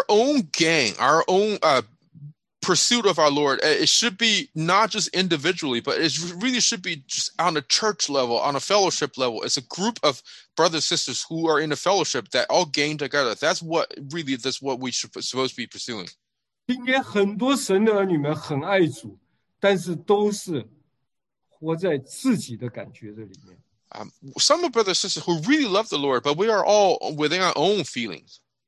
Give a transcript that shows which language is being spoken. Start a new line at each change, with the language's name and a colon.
English: our own gain, our own pursuit of our Lord, it should be not just individually, but it really should be just on a church level, on a fellowship level. It's a group of brothers and sisters who are in a fellowship that all gain together. That's what really, that's what we should supposed to be pursuing.
Chinese: 今天很多神的儿女们很爱主，但是都是活在自己的感觉的里面。
English: Some brothers and sisters who really love the Lord, but we are all within our own feelings.